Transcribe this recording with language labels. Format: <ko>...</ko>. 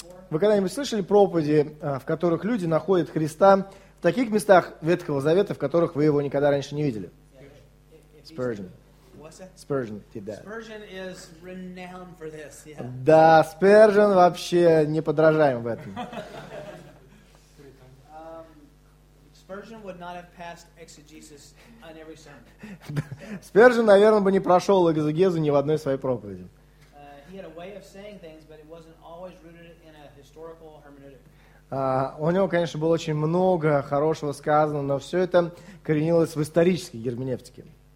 <ru>Вы когда-нибудь слышали проповеди, в которых люди находят Христа в таких местах Ветхого Завета, в которых вы его никогда раньше не видели?</ru> <en>Спёрджен. Спёрджен did that. Spurgeon is renowned for this. Yeah.</en> <ru>Да, Спёрджен вообще не подражаем в этом.</ru> <en>Spurgeon would not have passed exegesis on every sermon.</en> <ru>Спёрджен, наверное, бы не прошел экзегезу ни в одной своей проповеди.</ru> <en>He had a way of saying things, but it wasn't always rooted in a historical hermeneutic.</en> <ru>У него, конечно, было очень много хорошего сказано, но все это коренилось в исторической герменевтике.</ru>